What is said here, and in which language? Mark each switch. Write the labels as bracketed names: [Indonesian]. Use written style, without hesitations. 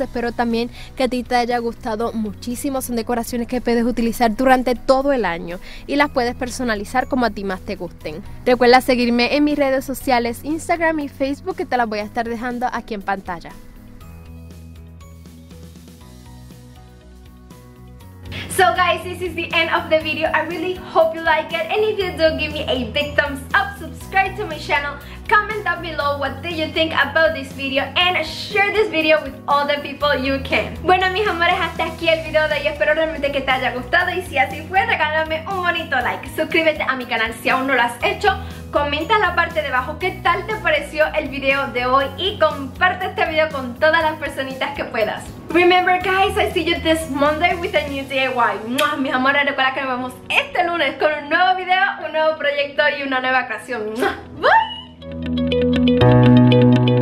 [Spanish] Espero también que a ti te haya gustado muchísimo. Son decoraciones que puedes utilizar durante todo el año y las puedes personalizar como a ti más te gusten. Recuerda seguirme en mis redes sociales, Instagram y Facebook, que te las voy a estar dejando aquí en pantalla. [English] So guys, this is the end of the video. I really hope you like it. And if you do, give me a big thumbs up, subscribe to my channel, comment down below what did you think about this video, and share this video with all the people you can. [Spanish] Bueno, mis amores, hasta aquí el video de hoy. Espero realmente que te haya gustado. Y si así fue, regálame un bonito like. Suscríbete a mi canal si aún no lo has hecho. comenta en la parte de abajo qué tal te pareció el video de hoy y comparte este video con todas las personitas que puedas. [English] Remember guys, I see you this Monday with a new DIY. ¡Muah! [Spanish] Mis amores, recuerda que nos vemos este lunes con un nuevo video, un nuevo proyecto y una nueva creación. ¡Muah! Bye.